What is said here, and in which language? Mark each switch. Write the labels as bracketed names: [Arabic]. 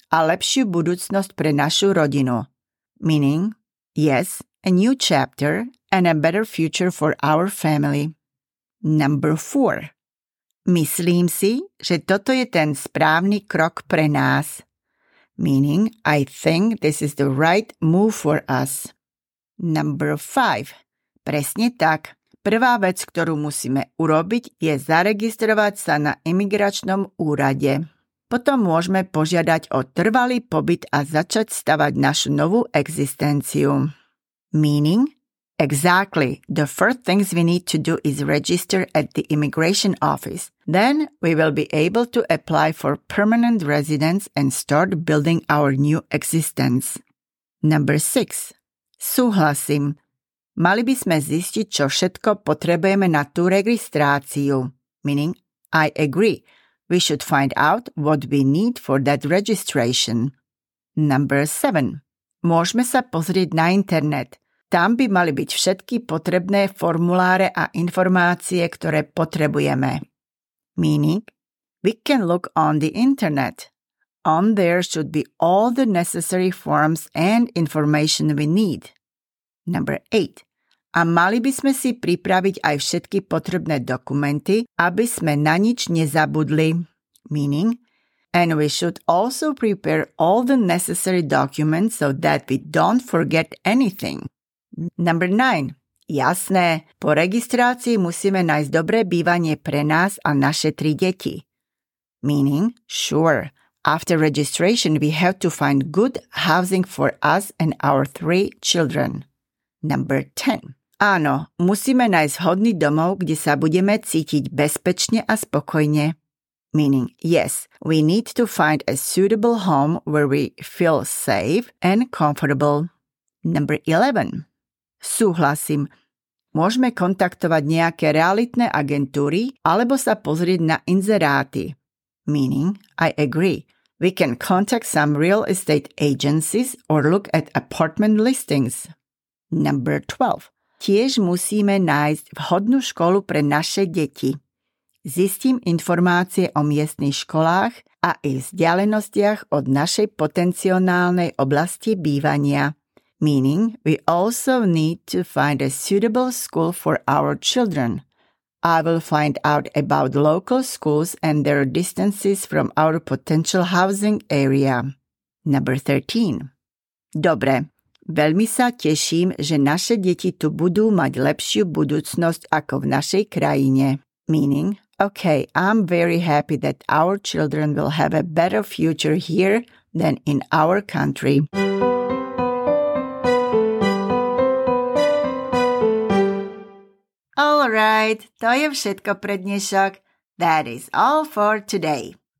[Slovak] a lepšiu budúcnosť pre našu rodinu. [English] Meaning, yes, a new chapter and a better future for our family. Number 4. [Slovak] Myslím si, že toto je ten správny krok pre nás. [English] Meaning, I think this is the right move for us. Number 5. [Slovak] Presne tak. Prvá vec, ktorú musíme urobiť, je zaregistrovať sa na imigračnom úrade. Potom môžeme požiadať o trvalý pobyt a začať stavať našu novú existenciu. [English] Meaning? Exactly. The first things we need to do is register at the immigration office. Then we will be able to apply for permanent residence and start building our new existence. Number 6. [Slovak] Súhlasím. Mali by sme zistiť, čo všetko potrebujeme na tú registráciu. [English] Meaning, I agree. We should find out what we need for that registration. Number 7. [Slovak] Môžeme sa pozrieť na internet. Tam by mali byť všetky potrebné formuláre a informácie, ktoré potrebujeme. [English] Meaning, we can look on the internet. On there should be all the necessary forms and information we need. Number 8. [Slovak] A mali by sme si pripraviť aj všetky potrebné dokumenty, aby sme na nič nezabudli. [English] Meaning, and we should also prepare all the necessary documents so that we don't forget anything. Number 9. [Slovak] Jasné, po registrácii musíme nájsť dobré bývanie pre nás a naše 3 deti. [English] Meaning, sure, after registration we have to find good housing for us and our 3 children. Number 10. [Slovak] Áno, musíme nájsť hodný domov, kde sa budeme cítiť bezpečne a spokojne. [English] Meaning, yes, we need to find a suitable home where we feel safe and comfortable. Number 11. [Slovak] Súhlasím. Môžeme kontaktovať nejaké realitné agentúry alebo sa pozrieť na inzeráty. [English] Meaning, I agree. We can contact some real estate agencies or look at apartment listings. Number 12. [Slovak] Tiež musíme nájsť vhodnú školu pre naše deti. Zistím informácie o miestnych školách a ich vzdialenostiach od našej potenciálnej oblasti bývania. [English] Meaning, we also need to find a suitable school for our children. I will find out about local schools and their distances from our potential housing area. Number 13. [Slovak] Dobre, veľmi sa teším, že naše deti tu budú mať lepšiu budúcnosť ako v našej krajine. [English] Meaning, okay, I'm very happy that our children will have a better future here than in our country. [Slovak] Alright, to je všetko pre dnešok. [English] That is all for today.